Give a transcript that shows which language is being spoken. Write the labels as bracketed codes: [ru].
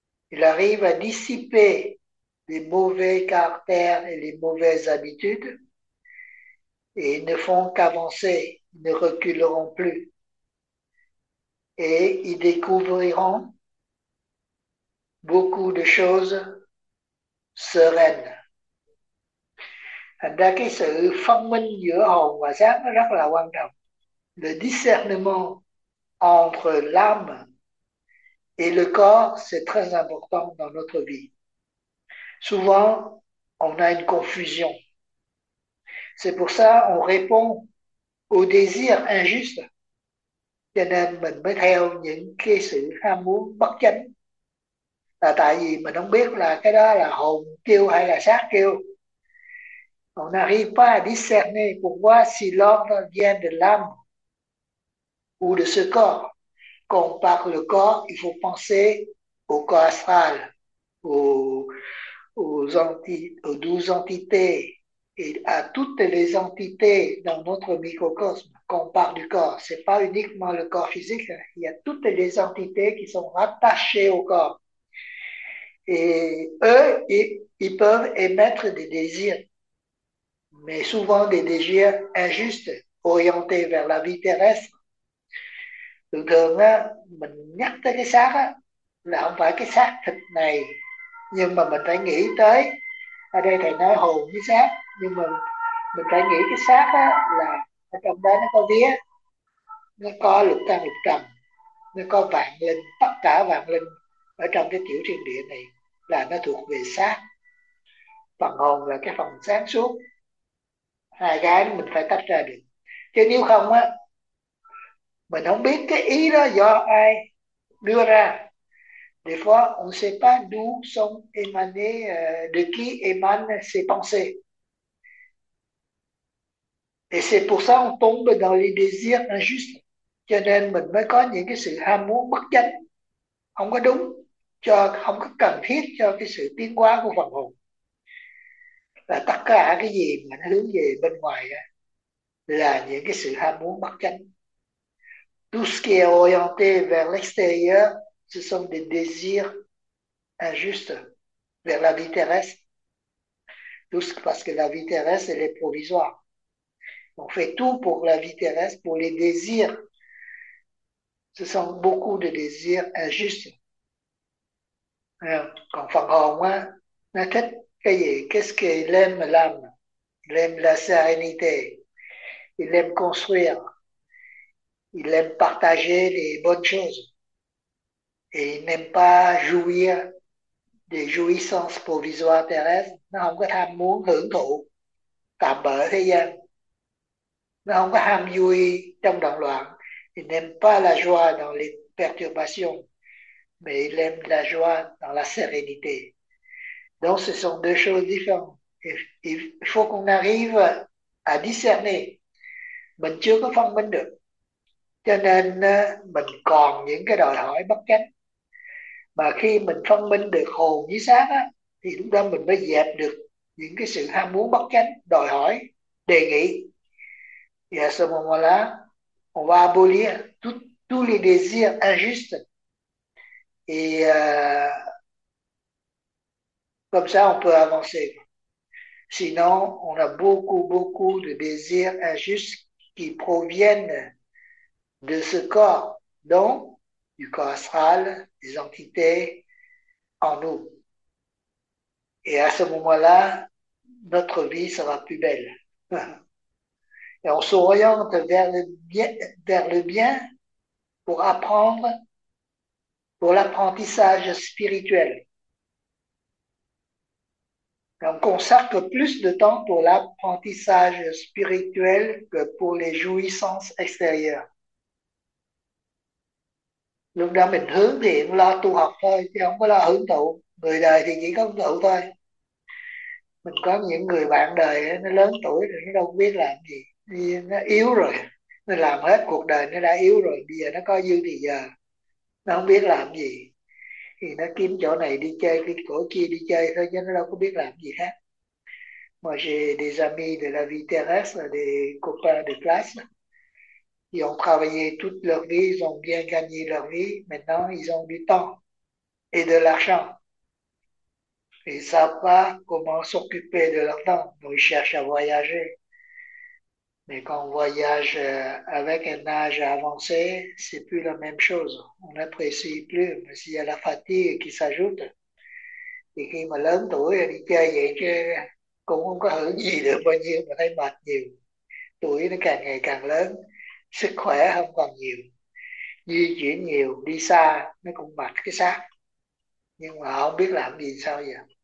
[fr] Il arrive à dissiper les mauvais caractères et les mauvaises habitudes. Et ils ne font qu'avancer, ils ne reculeront plus. Et ils découvriront beaucoup de choses sereines. [vi] Thành ra cái sự phân minh giữa hồn và xác nó rất là quan trọng. [fr] Le discernement entre l'âme et le corps, c'est très important dans notre vie. Souvent, on a une confusion. C'est pour ça qu'on répond ou désir injuste. [vi] Cho nên mình mới theo những cái sự ham muốn bất chánh. Là tại vì mình không biết là cái đó là hồn kêu hay là xác kêu. [fr] On n'arrive pas à discerner pourquoi si l'ordre vient de l'âme ou de ce corps. Quand on parle de corps, il faut penser au corps astral, aux 12 entités et à toutes les entités dans notre microcosme. Quand on parle du corps, ce n'est pas uniquement le corps physique, il y a toutes les entités qui sont rattachées au corps. Et eux, ils peuvent émettre des désirs, mais souvent des désirs injustes, orientés vers la vie terrestre. [vi] Thường thường á, mình nhắc tới cái xác là không phải cái xác thịt này, nhưng mà mình phải nghĩ tới, ở đây thầy nói hồn với xác, nhưng mà mình phải nghĩ cái xác là ở trong đó nó có vía, nó có lục căn lục trần, nó có vạn linh, tất cả vạn linh ở trong cái tiểu thiên địa này là nó thuộc về xác. Phần hồn là cái phần sáng suốt, hai cái mình phải tách ra được, chứ nếu không á mình không biết cái ý đó do ai đưa ra. [fr] Des fois, on ne sait pas d'où sont émanées, de qui émanent ces pensées. Et c'est pour ça qu'on tombe dans les désirs injustes. [vi] Cho nên mình mới có những cái sự ham muốn bất chánh, không có đúng, cho không có cần thiết cho cái sự tiến hóa của phần hồn. Và tất cả cái gì mà nó hướng về bên ngoài là những cái sự ham muốn bất chánh. [fr] Tout ce qui est orienté vers l'extérieur, ce sont des désirs injustes vers la vie terrestre. Parce que la vie terrestre, elle est provisoire. On fait tout pour la vie terrestre, pour les désirs. Ce sont beaucoup de désirs injustes. Alors, quand [vi] Phật hồn, hein, nó thích cái gì? [fr] Qu'est-ce qu'il aime l'âme? Il aime la sérénité. Il aime construire. Il aime partager les bonnes choses et il n'aime pas jouir des jouissances provisoires terrestres. [vi] Nó không có tham muốn hưởng thụ tạm bợ thế gian. Nó không có ham vui trong động loạn. [fr] Il n'aime pas la joie dans les perturbations, mais il aime la joie dans la sérénité. Donc, ce sont deux choses différentes. Il faut qu'on arrive à discerner. [vi] Mình chưa có phân minh được. Cho nên mình còn những cái đòi hỏi bất chánh. Mà khi mình phân minh được hồn với xác á, thì lúc đó mình mới dẹp được những cái sự ham muốn bất chánh, đòi hỏi, đề nghị. [fr] Et à ce moment-là, on va abolir tous les désirs injustes. Et comme ça, on peut avancer. Sinon, on a beaucoup, beaucoup de désirs injustes qui proviennent de ce corps, donc du corps astral, des entités en nous. Et à ce moment-là, notre vie sera plus belle. Et on s'oriente vers le bien pour apprendre, pour l'apprentissage spirituel. Donc on consacre plus de temps pour l'apprentissage spirituel que pour les jouissances extérieures. [vi] Lúc đó mình hướng thiện lo tu học thôi chứ không có lo hưởng thụ. Người đời thì chỉ có hưởng thụ thôi. Mình có những người bạn đời nó lớn tuổi rồi, nó đâu biết làm gì, nó yếu rồi, nó làm hết cuộc đời nó đã yếu rồi, bây giờ nó có dư thì giờ nó không biết làm gì thì nó kiếm chỗ này đi chơi, cái chỗ kia đi chơi thôi, chứ nó đâu có biết làm gì khác. [fr] Moi j'ai des amis de la vie terrestre, des copains de classe. Ils ont travaillé toute leur vie, ils ont bien gagné leur vie. Maintenant, ils ont du temps et de l'argent. Ils ne savent pas comment s'occuper de leur temps. Donc, ils cherchent à voyager. Mais quand on voyage avec un âge avancé, c'est plus la même chose. On n'apprécie plus. Mais s'il y a la fatigue qui s'ajoute, et [vi] khi mà lớn tuổi đi chơi vậy chứ cũng không có hưởng gì được bao nhiêu, mà thấy mệt nhiều. Tuổi nó càng ngày càng lớn, sức khỏe không còn nhiều, di chuyển nhiều, đi xa nó cũng mệt cái xác, nhưng mà không biết làm gì sao vậy.